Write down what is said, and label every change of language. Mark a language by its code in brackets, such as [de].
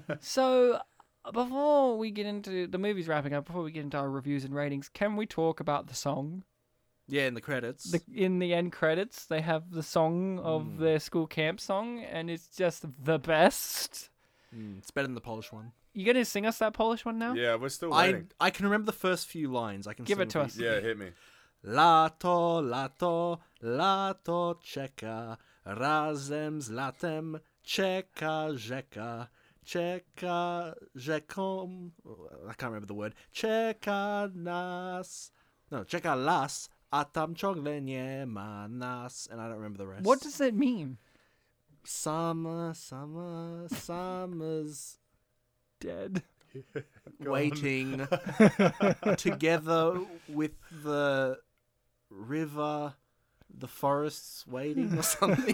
[en] So, before we get into the movies wrapping up, before we get into our reviews and ratings, can we talk about the song? Yeah, in the credits. In the end credits, they have the song of their school camp song, and it's just the best. It's better than the Polish one. You going to sing us that Polish one now? Yeah, we're still waiting. I can remember the first few lines. I can give sing it to us. Yeah, hit me. [pl] Lato, lato, lato, czeka, razem z latem, czeka, rzeka, czeka, rzekom. [en] I can't remember the word. [pl] Czeka nas. No, czeka las. A tam ciągle nie ma nas. [en] And I don't remember the rest. What does that mean? Summer, summer, summer's dead. Waiting together with the river, the forest's waiting or something.